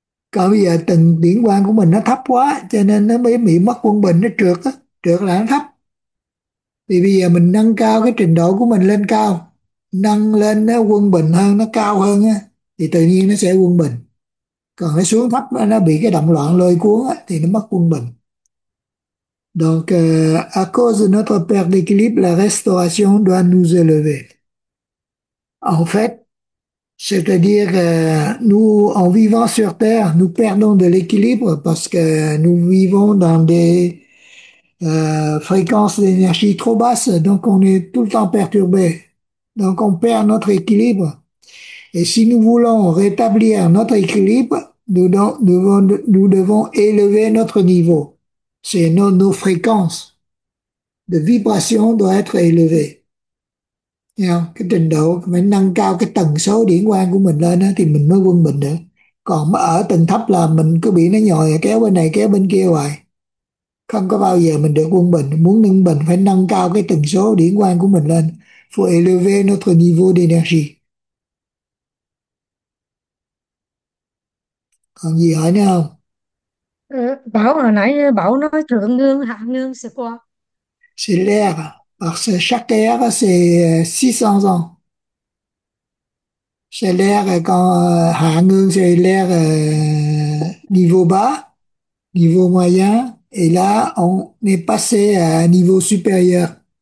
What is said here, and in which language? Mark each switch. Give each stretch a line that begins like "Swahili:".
Vietnamese: Còn bây giờ tầng điển quan của mình nó thấp quá cho nên nó mới bị mất quân bình, nó trượt á, trượt là nó thấp. Thì bây giờ mình nâng cao cái trình độ của mình lên cao, nâng lên nó quân bình hơn, nó cao hơn á, thì tự nhiên nó sẽ quân bình. Còn nó xuống thấp nó bị cái động loạn lôi cuốn á, thì nó mất quân bình.
French: Donc, à cause de notre perte d'équilibre, la restauration doit nous élever. En fait, c'est-à-dire nous, en vivant sur Terre, nous perdons de l'équilibre parce que nous vivons dans des fréquences d'énergie trop basses, donc on est tout le temps perturbé. Donc on perd notre équilibre. Et si nous voulons rétablir notre équilibre, nous devons élever notre niveau. C'est nos fréquences de vibration doivent être élevées. Yeah.
Vietnamese: Cái trình độ phải nâng cao cái tần số điển quang của mình lên đó, thì mình mới quân bình được. Còn ở tầng thấp là mình cứ bị nó nhồi kéo bên này kéo bên kia hoài. Không có bao giờ mình được quân bình. Muốn nâng bình phải nâng cao cái tần số điển quang của mình lên.
French: Faut élever notre niveau d'énergie.
Vietnamese: Còn gì hỏi nữa không? Bảo hồi nãy Bảo nói thượng nương hạ nương sẽ qua.
French: C'est l'air. Parce que chaque air, c'est 600 ans. C'est l'air quand hạ ngưng, c'est l'air niveau bas, niveau moyen. Et là, on est passé à un niveau supérieur.